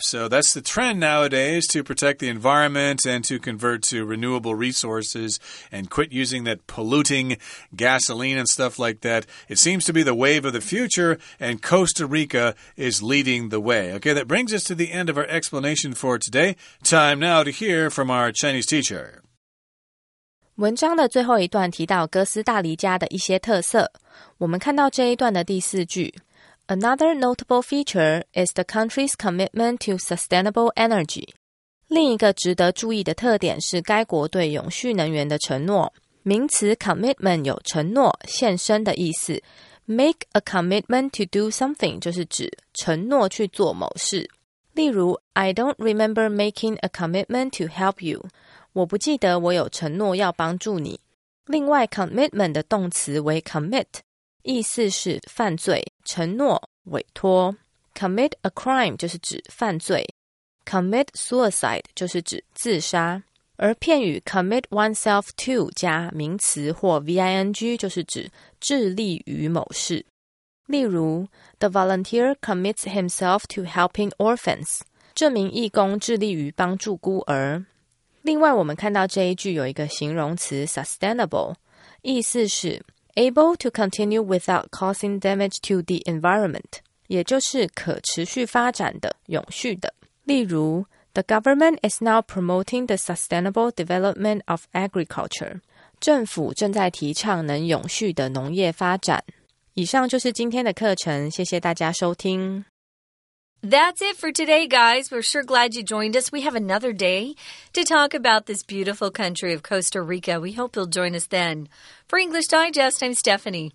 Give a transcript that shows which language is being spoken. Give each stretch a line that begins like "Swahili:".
English: So that's the trend nowadays, to protect the environment and to convert to renewable resources and quit using that polluting gasoline and stuff like that. It seems to be the wave of the future, and Costa Rica is leading the way. Okay, that brings us to the end of our explanation for today. Time now to hear from our Chinese teacher.
Chinese: 文章的最后一段提到哥斯大黎加的一些特色。我们看到这一段的第四句
English: Another notable feature is the country's commitment to sustainable energy.
Chinese: 另一个值得注意的特点是该国对永续能源的承诺。名词 commitment 有承诺、献身的意思。 Make a commitment to do something 就是指承诺去做某事。
English: 例如 I don't remember making a commitment to help you.
Chinese: 我不记得我有承诺要帮助你。另外 commitment 的动词为 commit,意思是犯罪、承诺、委托。 Commit a crime 就是指犯罪。Commit suicide 就是指自杀。而片语 commit oneself to 加名词或 ving 就是指致力于某事。
English: 例如 ,the volunteer commits himself to helping orphans.
Chinese: 这名义工致力于帮助孤儿。另外我们看到这一句有一个形容词 sustainable, 意思是
English: Able to continue without causing damage to the environment,
Chinese: 也就是可持续发展的、永续的。
English: 例如 ,the government is now promoting the sustainable development of agriculture.
Chinese: 政府正在提倡能永续的农业发展。以上就是今天的课程,谢谢大家收听。
English: That's it for today, guys. We're sure glad you joined us. We have another day to talk about this beautiful country of Costa Rica. We hope you'll join us then. For English Digest, I'm Stephanie.